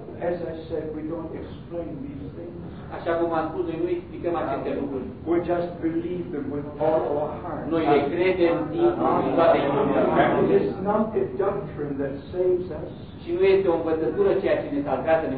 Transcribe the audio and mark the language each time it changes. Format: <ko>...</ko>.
<en>As I said, we don't explain these things.</en> <ro>Așa cum am spus, noi nu explicăm aceste lucruri.</ro> <en>We just believe them with all our hearts.</en> <ro>Noi le credem din toate inimile.</ro> <en>It is not a doctrine that saves us.</en> <ro>Și nu este o învățătură ceea ce ne salvează, ne</ro>